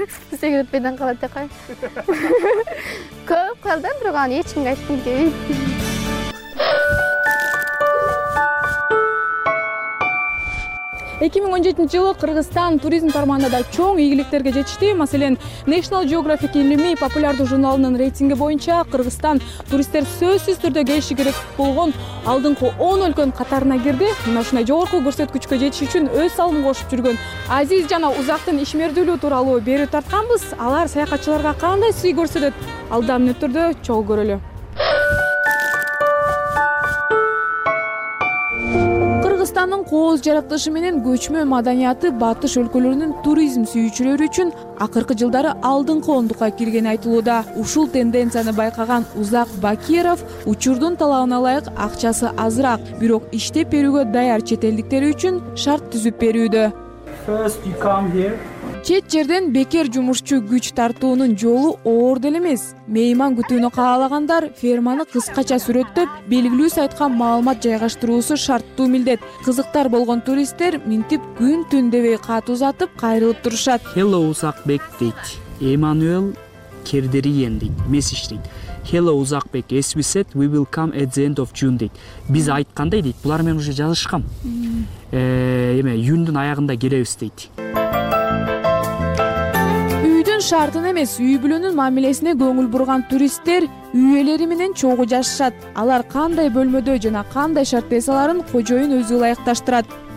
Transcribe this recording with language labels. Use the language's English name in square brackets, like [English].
[Kyrgyz] Секрет менен калат экен. Көп кылдым, бирок аны эч кимге айткым келбейт. Эки миң он жетинчи жылы Кыргызстан туризм тарманында да чоң ийгиликтерге жетишти. Маселен, National Geographic илимий популярдуу журналынын рейтинги боюнча Кыргызстан туристтер сөзсүз түрдө келиши керек болгон алдыңкы 10 өлкөнүн катарына кирди. Мына ушундай жогорку көрсөткүчкө жетиш үчүн өз салымын кошуп жүргөн Азиз жана Узактын ишмердүүлүгү тууралуу берүү тартканбыз. Алар саякатчыларга кандай сый көрсөтөт, алда мүнөттөрдө чогуу көрөлү. Кыргызстандын кооз жаратылышы менен көчмө маданияты батыш өлкөлөрүнүн туризм сүйүүчүлөрү үчүн акыркы жылдары алдыңкы ондукка киргени айтылууда. Ушул тенденцияны байкаган Узак Бакиров учурдун талабына ылайык акчасы азыраак, бирок иштеп берүүгө даяр чет элдиктери үчүн шарт түзүп берүүдө. Чет жерден бекер жумушчу күч тартуунун жолу оор деле эмес. Мейман күтүүнү каалагандар ферманы кыскача сүрөттөп, белгилүү сайтка маалымат жайгаштыруусу шарттуу милдет. Кызыктар болгон туристтер минтип күн түн дебей кат узатып кайрылып турушат. Hello Узакбек дейт. Эмманюэл Кердериен дейт. Месиш дейт. [English] Hello Узакбек, as we said, we will come at the end of June [Kyrgyz] дейт. Биз айткандай дейт, булар менен уже жазышкам. Эме июндун аягында келебиз дейт. Шартын эмес үй бүлөнүн мамилесине көңүл бурган туристтер үй ээлери менен чогуу жашашат. Алар кандай бөлмөдө жана кандай шартта эсаларын кожоюн өзү ылайыкташтырат.